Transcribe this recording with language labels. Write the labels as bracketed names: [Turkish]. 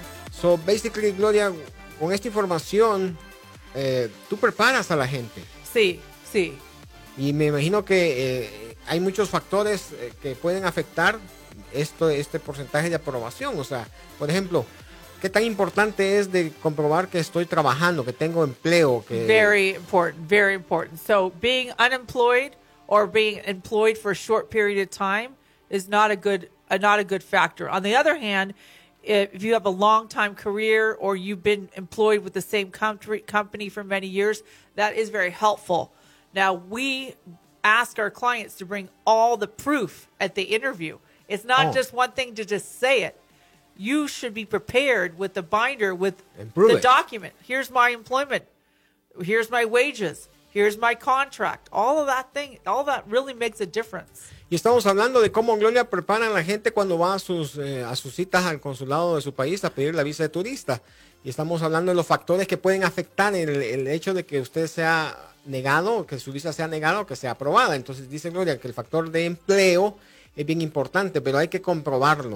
[English] So, basically, [Spanish] Gloria, con esta información, tú preparas a la gente. Sí, sí. Y me imagino que hay muchos factores que pueden afectar esto, este porcentaje de aprobación. O sea, por ejemplo, ¿qué tan importante es de comprobar que estoy trabajando, que tengo empleo? Que... [English] Very important, very important. So, being unemployed or being employed for a short period of time is not a good factor. On the other hand, if you have a long-time career or you've been employed with the same company for many years, that is very helpful. Now, we ask our clients to bring all the proof at the interview. It's not just one thing to just say it. You should be prepared with the binder, with the document. Here's my employment. Here's my wages. Here's my contract. All of that thing, all that really makes a difference. [Spanish] Y estamos hablando de cómo Gloria prepara a la gente cuando va a sus citas al consulado de su país a pedir la visa de turista. Y estamos hablando de los factores que pueden afectar el hecho de que usted sea negado, que su visa sea negada o que sea aprobada. Entonces dice Gloria que el factor de empleo es bien importante, pero hay que comprobarlo.